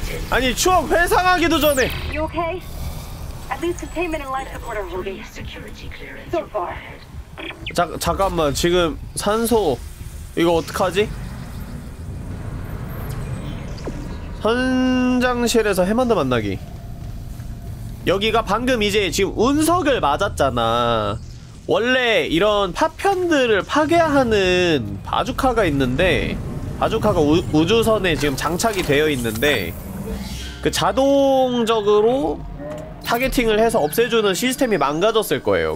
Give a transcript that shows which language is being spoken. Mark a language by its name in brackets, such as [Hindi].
[Korean] 아니, 추억 회상하기도 전에! [English] You okay? At least containment and life support are working. So far. [Korean] 잠깐만, 지금 산소 이거 어떡하지? 현장실에서 해먼드 만나기. 여기가 방금 이제 지금 운석을 맞았잖아. 원래 이런 파편들을 파괴하는 바주카가 있는데, 바주카가 우주선에 지금 장착이 되어 있는데 그 자동적으로 타겟팅을 해서 없애주는 시스템이 망가졌을 거예요.